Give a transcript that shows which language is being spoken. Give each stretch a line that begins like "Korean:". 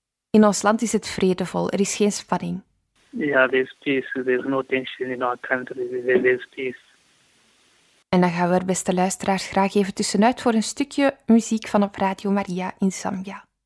Dutch: In ons land is het vredevol, er is geen spanning.
English: There's peace, there's no tension in our country, there's peace.
Dutch: En dan gaan we, beste luisteraars, graag even tussenuit voor een stukje muziek van op Radio Maria in Zambia.